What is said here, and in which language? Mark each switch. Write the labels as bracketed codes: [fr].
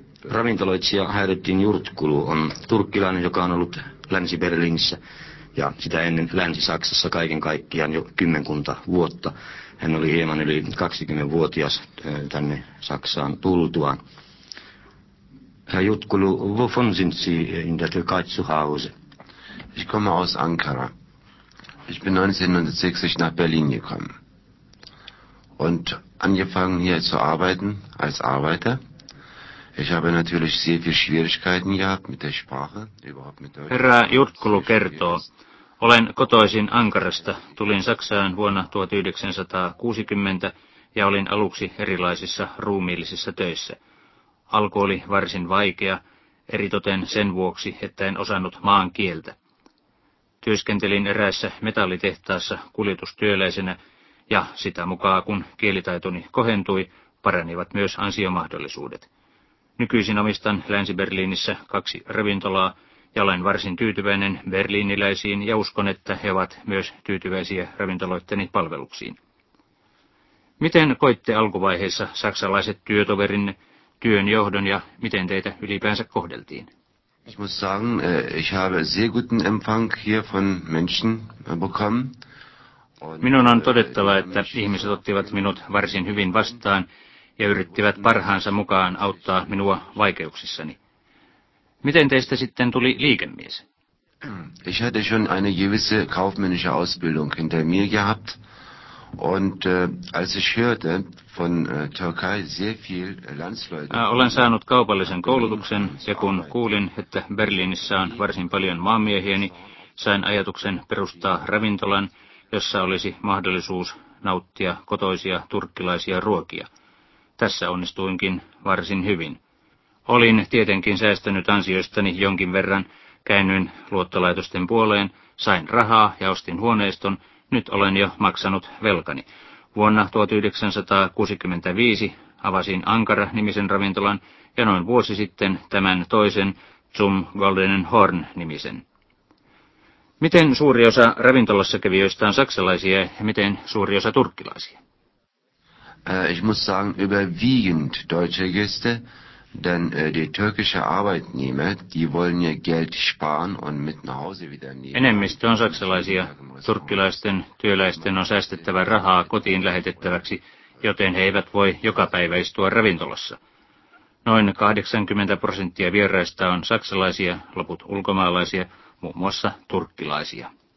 [fi] Ravintoloitsija Hayrettin Yurtkulu on turkkilainen, joka on ollut Länsi-Berliinissä ja sitä ennen Länsi-Saksassa kaiken kaikkiaan jo 10 vuotta. Hän oli hieman yli 20-vuotias tänne Saksaan tultuaan. [de] Herr Yurtkulu, wovon sind Sie in der Türkei zu Hause? Ich komme aus Ankara. Ich bin 1960 nach Berlin gekommen und angefangen hier zu arbeiten als Arbeiter. Ich habe natürlich sehr viele Schwierigkeiten gehabt mit der Sprache, überhaupt mit Deutsch. [fi] Herra Yurtkulu kertoo, olen kotoisin Ankarasta, tulin Saksaan vuonna 1960 ja olin aluksi erilaisissa ruumiillisissa töissä. Alku oli varsin vaikea, eritoten sen vuoksi, että en osannut maan kieltä. Työskentelin eräässä metallitehtaassa kuljetustyöläisenä ja sitä mukaan, kun kielitaitoni kohentui, paranivat myös ansiomahdollisuudet. Nykyisin omistan Länsi-Berliinissä 2 ravintolaa ja olen varsin tyytyväinen berliiniläisiin ja uskon, että he ovat myös tyytyväisiä ravintoloitteni palveluksiin. Miten koitte alkuvaiheessa saksalaiset työtoverinne, työn johdon ja miten teitä ylipäänsä kohdeltiin? [de] Ich muss sagen, ich habe sehr guten Empfang hier von Menschen bekommen. [fi] Minun on todettava, että ihmiset ottivat minut varsin hyvin vastaan ja yrittivät parhaansa mukaan auttaa minua vaikeuksissani. Miten teistä sitten tuli liikemies? [de] Ich hatte schon eine gewisse kaufmännische Ausbildung hinter mir gehabt. Und als ich hörte von Türkei sehr viel Landsleute. [fi] Olen saanut kaupallisen koulutuksen ja kun kuulin, että Berliinissä on varsin paljon maamiehiä, niin sain ajatuksen perustaa ravintolan, jossa olisi mahdollisuus nauttia kotoisia turkkilaisia ruokia. Tässä onnistuinkin varsin hyvin. Olin tietenkin säästänyt ansioistani jonkin verran, käännyin luottolaitosten puoleen, sain rahaa ja ostin huoneiston. Nyt olen jo maksanut velkani. Vuonna 1965 avasin Ankara-nimisen ravintolan ja noin vuosi sitten tämän toisen Zum Goldenen Horn-nimisen. Miten suuri osa ravintolassa kävijöistä on saksalaisia ja miten suuri osa turkkilaisia? [de] Ich muss sagen, überwiegend deutsche Gäste, denn die türkische Arbeitnehmer, die wollen ihr Geld sparen und mit nach Hause wieder nehmen. [fi] Enemmistö on saksalaisia. Turkkilaisten työläisten on säästettävä rahaa kotiin lähetettäväksi, joten he eivät voi joka päivä istua ravintolassa. Noin 80% vieraista on saksalaisia, loput ulkomaalaisia, muun muassa turkkilaisia.